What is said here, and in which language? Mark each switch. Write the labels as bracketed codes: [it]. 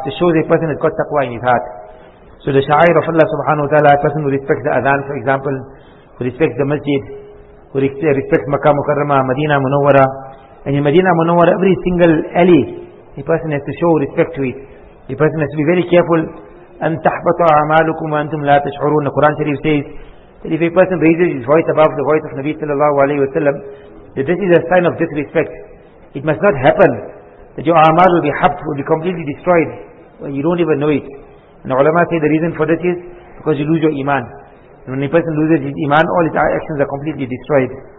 [en] To show that a person has got taqwa in his heart. So the sha'air of Allah subhanahu wa ta'ala, a person who respects the adhan, for example, who respects the masjid, who respects Makkah Mukarramah, Medina Munawwara. And in Medina Munawwara, every single alley, a person has to show respect to it. A person has to be very careful. [ar] أن تحبط أعمالكم وأنتم لا تشعرون. [en] The Quran Sharif says that if a person raises his voice above the voice of Nabi sallallahu alayhi wa sallam, that this is a sign of disrespect. It must not happen that your amal will be habt, will be completely destroyed when you don't even know it. And the ulama say the reason for this is because you lose your iman. And when a person loses his iman, all his actions are completely destroyed.